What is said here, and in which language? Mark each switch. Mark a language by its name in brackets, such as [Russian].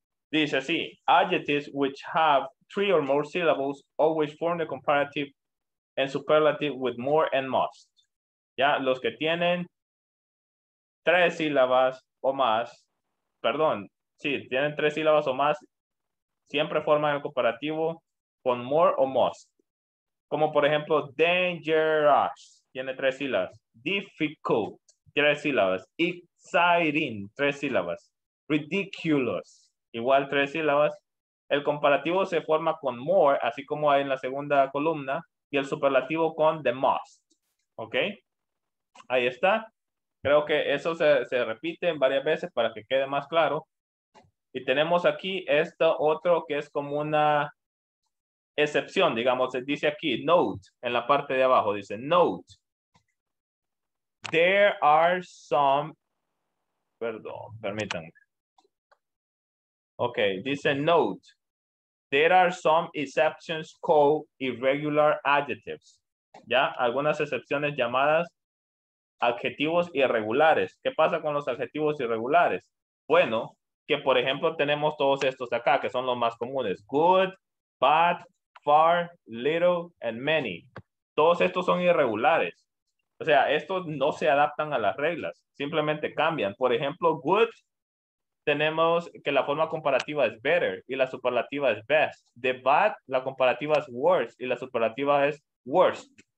[Spanish] Dice así, [English] adjectives which have three or more syllables always form the comparative and superlative with more and must. [Spanish] Ya, los que tienen tres sílabas o más, perdón, sí, tienen tres sílabas o más, siempre forman el comparativo con more o must. Como por ejemplo, dangerous, tiene tres sílabas. Difficult, tres sílabas. Exciting, tres sílabas. Ridiculous, igual tres sílabas. El comparativo se forma con more, así como hay en la segunda columna, y el superlativo con the most. ¿Ok? Ahí está. Creo que eso se repite varias veces para que quede más claro. Y tenemos aquí esto otro que es como una excepción, digamos. Dice aquí, note, en la parte de abajo, dice note. [English] There are some, [Spanish] perdón, permítanme. Okay, dice note. [English] There are some exceptions called irregular adjectives. [Spanish] Ya, algunas excepciones llamadas adjetivos irregulares. ¿Qué pasa con los adjetivos irregulares? Bueno, que por ejemplo tenemos todos estos de acá, que son los más comunes. [English] Good, bad, far, little, and many. [Spanish] Todos estos son irregulares. O sea, estos no se adaptan a las reglas. Simplemente cambian. Por ejemplo, good, tenemos que la forma comparativa es better y la superlativa es best. The bad, la comparativa es worse y la superlativa es worst.